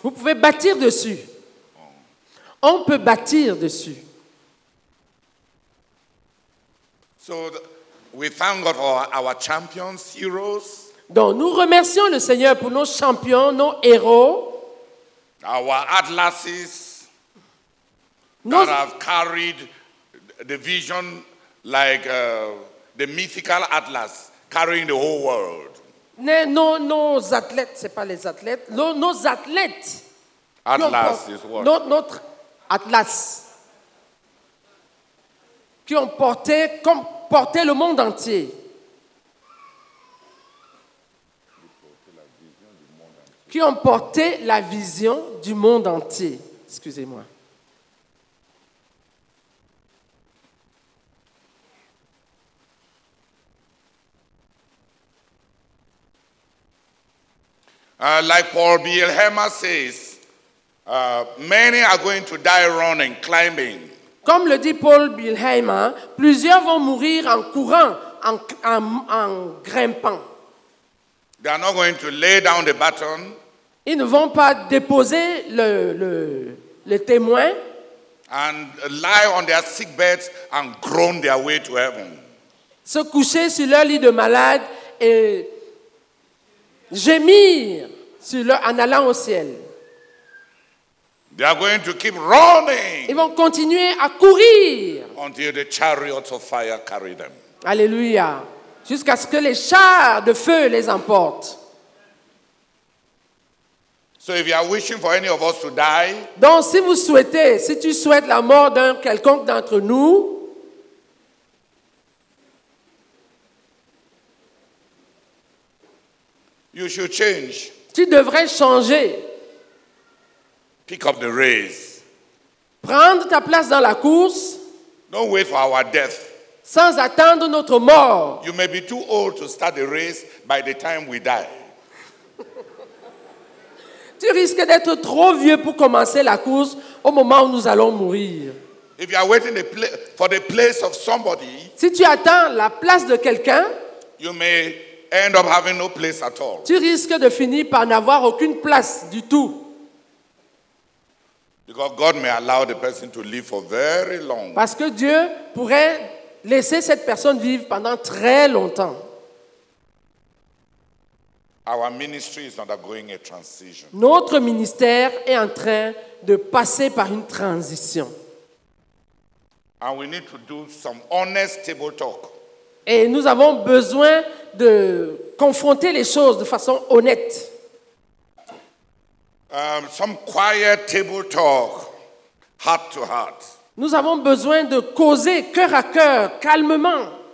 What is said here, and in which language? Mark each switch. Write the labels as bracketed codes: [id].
[fr] Vous pouvez bâtir dessus. On peut bâtir dessus. [en] So we thank God for our champions, heroes. [fr] Donc nous remercions le Seigneur pour nos champions, nos héros. [en] Our atlases [fr] nos... [en] that have carried the vision like the mythical atlas carrying the whole world. [fr] Nos athlètes, ce n'est pas les athlètes. Nos athlètes. [en] Atlas is what? [fr] Notre atlas. Qui ont porté, comme porté le monde entier. Qui ont porté la vision du monde entier. Excusez-moi. [en] Like Paul Bielhema says, many are going to die running, climbing. [fr] Comme le dit Paul Bielhema, plusieurs vont mourir en courant, en grimpant. [en] They are not going to lay down the baton. [fr] Ils ne vont pas déposer le témoin. [en] And lie on their sick beds and groan their way to heaven. [fr] se coucher sur leur lit de malade et gémir sur leur, en allant au ciel. [en] They are going to keep running. [fr] Ils vont continuer à courir. [en] Until the chariots of fire carry them. [fr] Alléluia. Jusqu'à ce que les chars de feu les emportent. [en] So if you are wishing for any of us to die, [fr] donc si vous souhaitez, si tu souhaites la mort d'un quelconque d'entre nous, [en] you should change. [fr] Tu devrais changer. [en] Pick up the race. [fr] Prendre ta place dans la course. [en] Don't wait for our death. [fr] Sans attendre notre mort. [en] You may be too old to start the race by the time we die. [fr] Tu risques d'être trop vieux pour commencer la course au moment où nous allons mourir. [en] If you are waiting for the place of somebody, [fr] si tu attends la place de quelqu'un, [en] you may end up having no place at all. [fr] Tu risques de finir par n'avoir aucune place du tout. [en] Because God may allow the person to live for very long. [fr] Parce que Dieu pourrait laisser cette personne vivre pendant très longtemps. [en] Our ministry is undergoing a transition. [fr] Notre ministère est en train de passer par une transition. [en] And we need to do some honest table talk. [fr] Et nous avons besoin de confronter les choses de façon honnête. [en] Some quiet table talk, heart to heart. [fr] Nous avons besoin de causer cœur à cœur, calmement.